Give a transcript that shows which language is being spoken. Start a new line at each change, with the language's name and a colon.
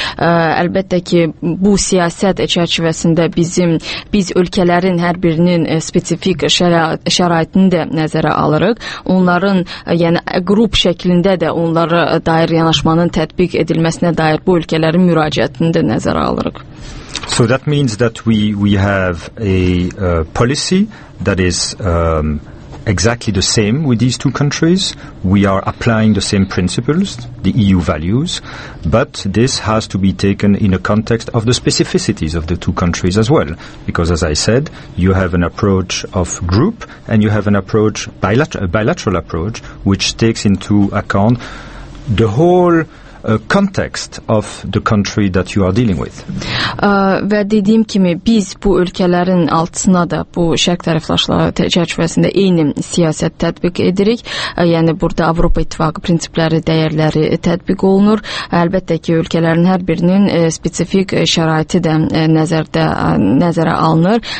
Azerbaijani: Əlbəttə ki, bu siyasət çərçivəsində biz ölkələrin hər birinin spesifik şəraitini də nəzərə alırıq. Onların, yəni, qrup şəklində də onlara dair yanaşmanın tətbiq edilməsinə dair bu ölkələrin müraciətində nəzərə alırıq.
English: So that means that we have a policy that is exactly the same with these two countries. We are applying the same principles, the EU values, but this has to be taken in a context of the specificities of the two countries as well, because as I said, you have an approach of group and you have an approach bilateral approach which takes into account the whole context of the country that you are dealing with.
Azerbaijani: Və dediyim kimi, biz bu ölkələrin altına da bu şərq tərəfdaşlığı çərçivəsində eyni siyasət tətbiq edirik. Yəni, burada Avropa İttifaqı prinsipləri, dəyərləri tətbiq olunur. Əlbəttə ki, ölkələrin hər birinin spesifik şəraiti də nəzərə alınır.